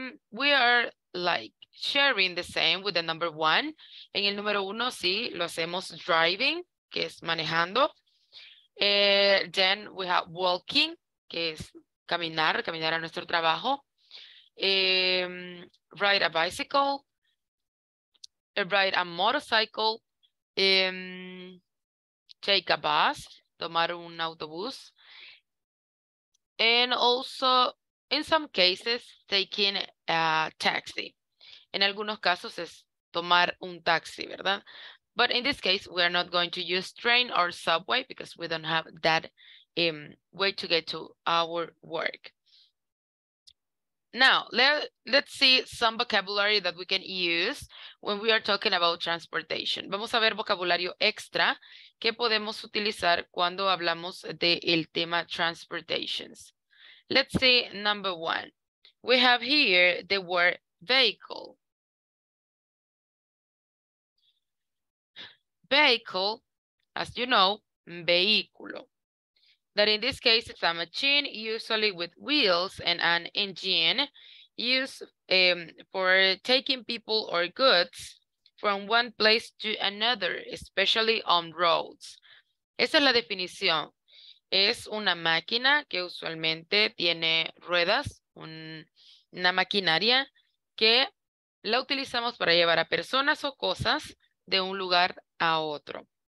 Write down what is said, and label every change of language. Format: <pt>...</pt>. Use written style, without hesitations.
<en>We are like sharing the same with the number 1.</en> <es>En el número 1, sí, lo hacemos driving, que es manejando.</es> <en>Then we have walking,</en> <es>que es caminar a nuestro trabajo.</es> <en>Ride a bicycle, ride a motorcycle, take a bus,</en> <es>tomar un autobús.</es> <en>And also, in some cases, taking a taxi.</en> <es>En algunos casos es tomar un taxi, ¿verdad?</es> <en>But in this case, we are not going to use train or subway because we don't have that way to get to our work. Now, let's see some vocabulary that we can use when we are talking about transportation.</en> <es>Vamos a ver vocabulario extra que podemos utilizar cuando hablamos del tema transportations.</es> <en>Let's see number one. We have here the word vehicle. Vehicle, as you know, vehículo. That in this case, it's a machine usually with wheels and an engine used for taking people or goods from one place to another, especially on roads.</en> <es>Esa es la definición. Es una máquina que usualmente tiene ruedas, una maquinaria que la utilizamos para llevar a personas o cosas de un lugar a otro.</es>